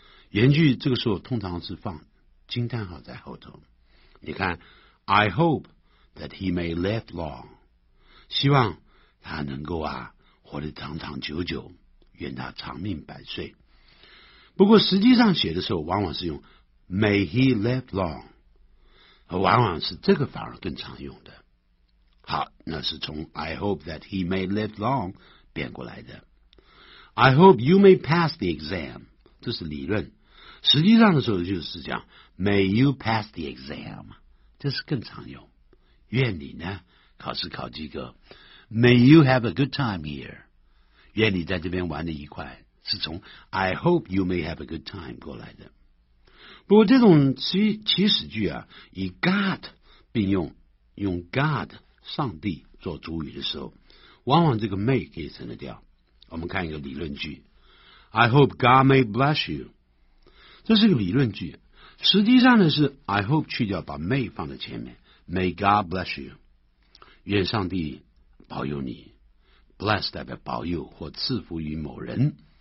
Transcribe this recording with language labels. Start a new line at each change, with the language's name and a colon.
Chinese: 原句这个时候通常是放惊叹号在后头，你看
English: I hope that he may live long，
Chinese: 希望他能够啊活得长长久久，愿他长命百岁。不过实际上写的时候往往是用 may he live long， 往往是这个反而更常用的。好，那是从
English: I hope that he may live long
Chinese: 变过来的。
English: I hope you may pass the exam，
Chinese: 这是理论，实际上的时候就是讲
English: may you pass the exam，
Chinese: 这是更常用，愿你呢考试考及格。
English: may you have a good time here，
Chinese: 愿你在这边玩得愉快，是从
English: I hope you may have a good time
Chinese: 过来的。不过这种祈使句啊，以 God 并用 God 上帝做主语的时候，往往这个 may 可以省得掉。我们看一个理论句，
English: I hope God may bless you，
Chinese: 这是个理论句，实际上的是 I hope 去掉，把 may 放在前面，
English: may God bless you，
Chinese: 愿上帝保佑你， bless 代表保佑或赐福于某人。